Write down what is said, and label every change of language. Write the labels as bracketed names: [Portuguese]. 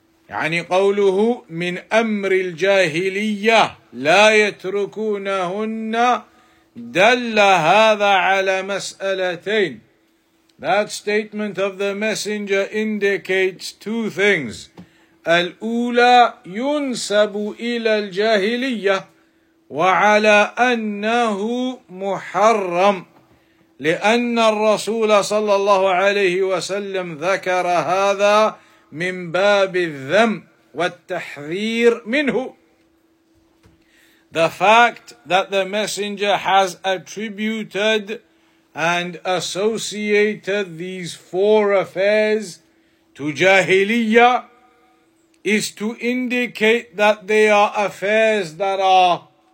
[Arabic] يعني قوله من أمر الجاهلية لا يتركونهن دل هذا على مسألتين. [English] That statement of the messenger indicates two things. [Arabic] الأولى ينسب إلى الجاهلية وعلى أنه محرم لأن الرسول صلى الله عليه وسلم ذكر هذا من باب الذم والتحذير منه. [English] The fact that the messenger has attributed and associated these four affairs to جاهلية is to indicate that they are affairs that are